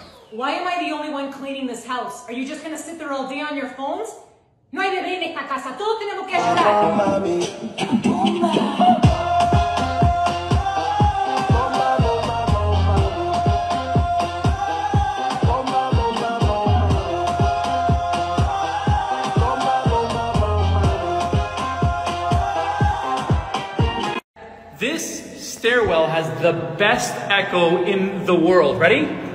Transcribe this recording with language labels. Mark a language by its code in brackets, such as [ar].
[en] Why am I the only one cleaning this house? Are you just gonna sit there all day on your phones? [es] No hay bebé en esta casa, todos tenemos que ayudar. [en] This stairwell has the best echo in the world. Ready?